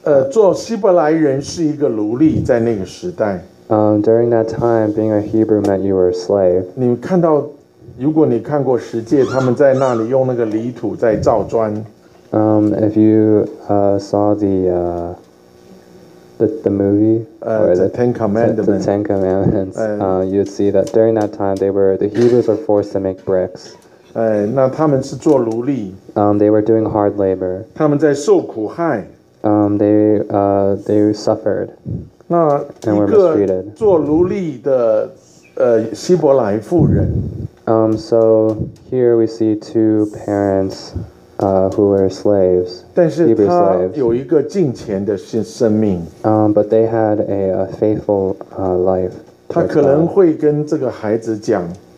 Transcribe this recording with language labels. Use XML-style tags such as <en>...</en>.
<zh>做希伯来人是一个奴隶，在那个时代。</zh> <en>During that time, being a Hebrew meant you were a slave.</en> <zh>你看到，如果你看过十诫，他们在那里用那个泥土在造砖。</zh> <en>If you saw the movie, the Ten Commandments, you'd see that during that time, the Hebrews were forced to make bricks.</en> <zh>那他们是做奴隶。</zh> <en>They were doing hard labor.</en> <zh>他们在受苦害。</zh> <en>They suffered.</en> <zh>那一个做奴隶的希伯来妇人。</zh> <en>So here we see two parents, who were slaves, Hebrew slaves.</en> <zh>有一个敬虔的生命。</zh> <en>But they had a faithful life.</en> <zh>他可能会跟这个孩子讲。</zh>